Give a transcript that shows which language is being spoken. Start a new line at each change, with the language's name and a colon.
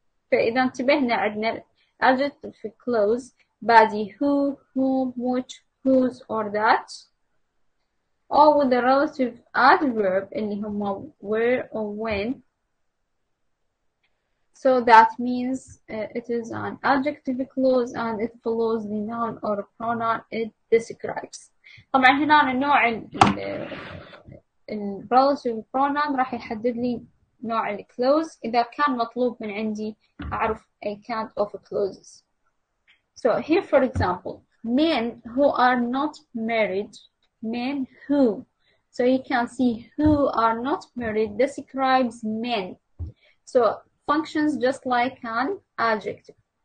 Arabic: فإذا انتبهنا عندنا
English: adjective clause
Arabic: بادي
English: who, whom, which, whose, or that. Or with the relative adverb in where or when. So that means it is an adjective clause and it follows the noun or pronoun it describes.
Arabic: طبعا هنا النوع ال relative pronoun راح يحدد لي نوع ال clause إذا كان مطلوب من عندي أعرف a kind of clauses.
English: So here for example, men who are not married. Men who, so you can see who are not married describes men, so functions just like an adjective.